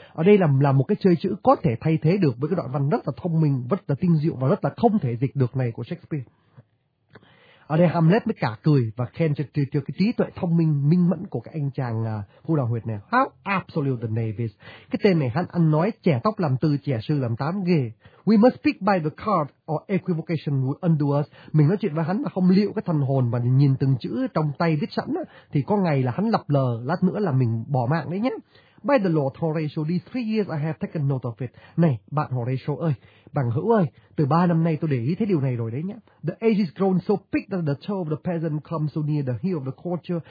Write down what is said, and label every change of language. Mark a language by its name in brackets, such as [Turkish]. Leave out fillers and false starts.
[Vietnamese] Ở đây là một cái chơi chữ có thể thay thế được với cái đoạn văn rất là thông minh, rất là tinh diệu và rất là không thể dịch được này của Shakespeare. Ở đây Hamlet mới cả cười và khen cho cái trí tuệ thông minh minh mẫn của cái anh chàng phu đạo huyệt này. [English] How absolute the knave is. [Vietnamese] Cái tên này hắn ăn nói trẻ tóc làm tư, trẻ sư làm tám, ghê. [English] We must speak by the card or equivocation would undo us. [Vietnamese] Mình nói chuyện với hắn mà không liệu cái thần hồn mà nhìn từng chữ trong tay viết sẵn á, thì có ngày là hắn lập lờ, lát nữa là mình bỏ mạng đấy nhé. [English] By the Lord Horatio, these 3 years I have taken note of it. [Vietnamese] Này, bạn Horatio ơi, bằng hữu ơi, từ 3 năm nay tôi để ý thấy điều này rồi đấy nhé. [English] The age is grown so big that the toe of the peasant comes so near the heel of the courtier.